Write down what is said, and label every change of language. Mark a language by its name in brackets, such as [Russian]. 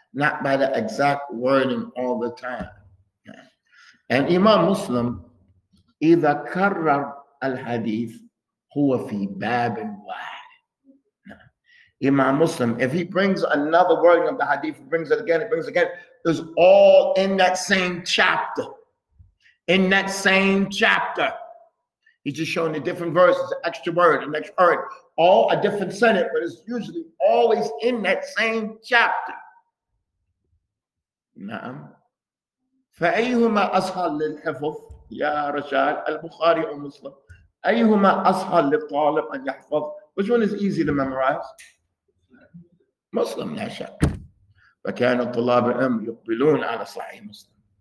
[English] Not by the exact wording all the time. [Arabic] نعم. And Imam Muslim, إذا كرر الحديث هو في باب واحد. [English] Imam Muslim, if he brings another wording of the hadith, brings it again, it's all in that same chapter. He's just showing the different verses, the extra word, an extra word, all a different sentence, but it's usually always in that same chapter. [Arabic] نعم. فأيهما أسهل للحفظ يا رشاد البخاري أو مسلم؟ أيهما أسهل للطالب أن يحفظ؟ [English] Which one is easy to memorize? [Arabic] مسلم لا شك. فكان الطلاب الأم يقبلون على صحيح مسلم.